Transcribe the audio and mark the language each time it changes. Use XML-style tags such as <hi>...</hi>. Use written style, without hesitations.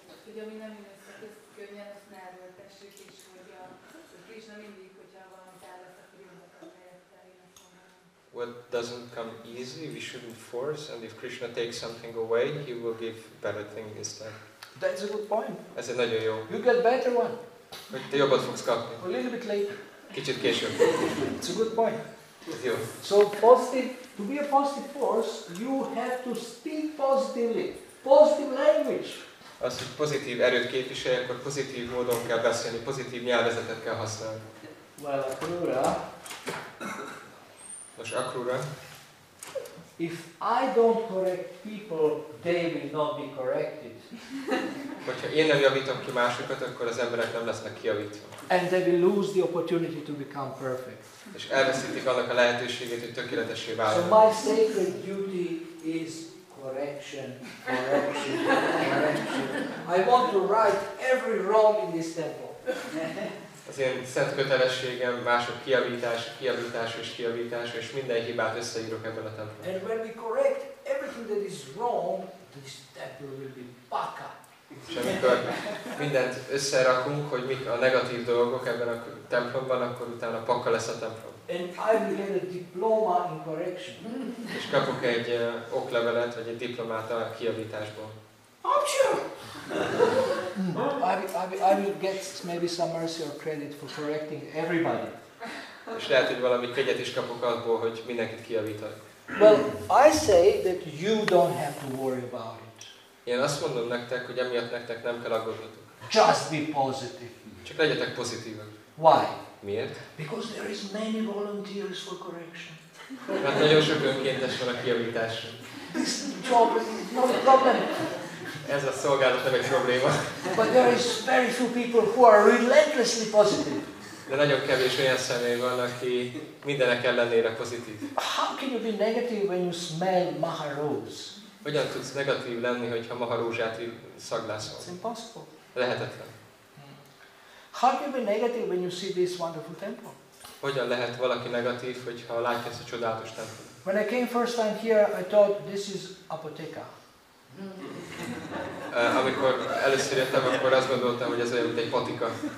<hu>Ugye mi nem jönnek, ez könnyen azt ne elvöltessük is, hogy a Krishna mindig, hogyha valami kellett, akkor jönnek a helyettel.</hu> <en>What doesn't come easy, we shouldn't force, and if Krishna takes something away, he will give better thing instead. That's a good point.</en> <hu>Ez egy nagyon jó.</hu> <en>You get better one.</en> <hu>Hogy te jobbat fogsz kapni.</hu> <en>A little bit late.</en> <hu>Kicsit később.</hu> <en>It's a good point.</en> <hu>Jó.</hu> <en>So positive, to be a positive force, you have to speak positively, positive language.</en> <hu>Az, hogy pozitív erőt képviselj, akkor pozitív módon kell beszélni, pozitív nyelvezetet kell használni.</hu> <en>Well, Akrura.</en> <hu>Most Akrura.</hu> <en>If I don't correct people, they will not be corrected.</en> <hu>Hogyha én nem javítom ki másokat, akkor az emberek nem lesznek kijavítva.</hu> <en>And they will lose the opportunity to become perfect.</en> <hu>És elveszítik annak a lehetőségét, hogy tökéletessé váljanak.</hu> <en>So my sacred duty is correction, correction, correction. I want to right every wrong in this temple.</en> <hu>Az én szent kötelességem mások kijavítása, kijavítása és kijavítása, és minden hibát összeírok ebben a templomban.</hu> <en>And when we correct everything that is wrong, this temple will be paka.</en> <hu>És amikor mindent összerakunk, hogy mik a negatív dolgok ebben a templomban, akkor utána paka lesz a templom.</hu> <en>And I will get a diploma in correction.</en> <hu>És kapok egy oklevelet, vagy egy diplomát a kijavításból.</hu> <en>I will get maybe some mercy or credit for correcting everybody.</en> <hu>És lehet, hogy valami kegyet is kapok abból, hogy mindenkit kijavítok.</hu> <en>Well, I say that you don't have to worry about it.</en> <hu>Én azt mondom nektek, hogy emiatt nektek nem kell aggódnotok.</hu> <en>Just be positive.</en> <hu>Csak legyetek pozitívak.</hu> <en>Why?</en> <hu>Miért?</hu> <en>Because there is many volunteers for correction.</en> <hu>Mert nagyon sok önkéntes van a kijavításra.</hu> <en>This job is not a problem.</en> <hu>Ez a szolgálat nem egy probléma.</hu> <en>But there is very few people who are relentlessly positive.</en> <hu>De nagyon kevés olyan személy van, aki mindenek ellenére pozitív.</hu> <en>How can you be negative when you smell maha rose?</en> <hu>Hogyan tudsz negatív lenni, hogyha maha rózsát szaglászol?</hu> <en>It's impossible.</en> <hu>Lehetetlen.</hu> <en>How can you be negative when you see this wonderful temple?</en> <hu>Hogyan lehet valaki negatív, hogyha látja ezt a csodálatos templomot?</hu> <en>When I came first time here, I thought this is apoteka.</en> <hu>Amikor először jöttem, akkor azt gondoltam, hogy ez olyan, mint egy patika.</hu>